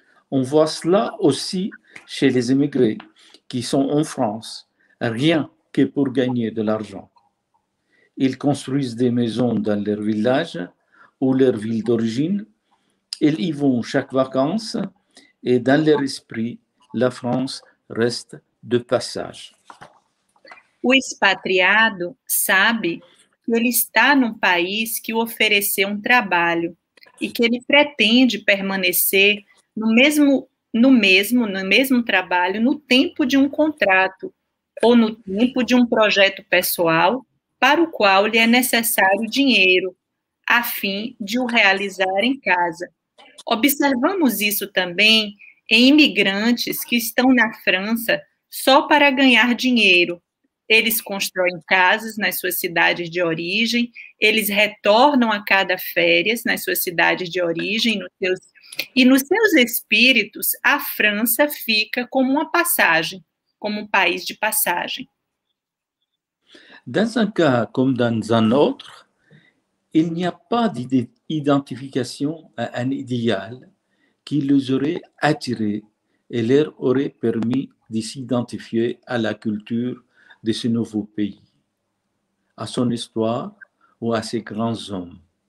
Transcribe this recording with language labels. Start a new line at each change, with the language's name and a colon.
French: On voit cela aussi chez les immigrés qui sont en France rien que pour gagner de l'argent. Ils construisent des maisons dans leur village ou leur ville d'origine. Ils y vont chaque vacances et dans leur esprit, la France reste de passage.
Portuguese: O expatriado sabe que ele está num país que o ofereceu um trabalho e que ele pretende permanecer no mesmo no mesmo trabalho, no tempo de um contrato ou no tempo de um projeto pessoal para o qual lhe é necessário dinheiro a fim de o realizar em casa. Observamos isso também em imigrantes que estão na França só para ganhar dinheiro. Eles constroem casas nas suas cidades de origem, eles retornam a cada férias nas suas cidades de origem, nos seus espíritos, a França fica como uma passagem, como um país de passagem.
French: Dans un cas comme dans un autre, il n'y a pas d'identification à un idéal qui les aurait attirés et leur aurait permis de s'identifier à la culture de ce nouveau pays, à son histoire ou à ses grands hommes.